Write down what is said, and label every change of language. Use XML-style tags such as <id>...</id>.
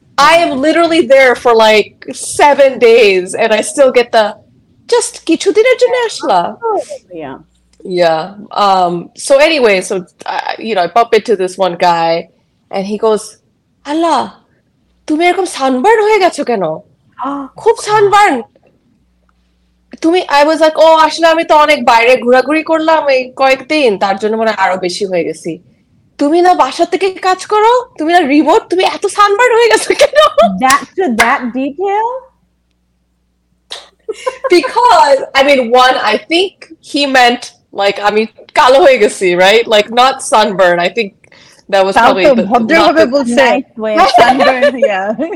<en>I am literally there for like 7 days and I still get the</en> <bn>just kichu diner jonno ashla.</bn> <en>Yeah. Yeah. So I bump into this one guy. And he goes,</en> <bn>Allah, তুমি এরকম sunburn হয়ে গেছো কেন? খুব sunburn তুমি।</bn> <en>I was like,</en> <bn>ও আসলে আমি তো অনেক বাইরে ঘোরাঘুরি করলাম এই কয়েকদিন, তার জন্য মানে আরো বেশি হয়ে গেছি। তুমি না বাসা থেকে কাজ করো, তুমি না রিমোট, তুমি এত সানবার্ন হয়ে গেছো কেন?</bn> <en>That to that detail? Because I mean, one, I think he meant like</en> <bn>আমি কালো হয়ে গেছি,</bn> <en>right? Like not sunburn. I think that was probably the not the nice way of sunburn, yeah.</en>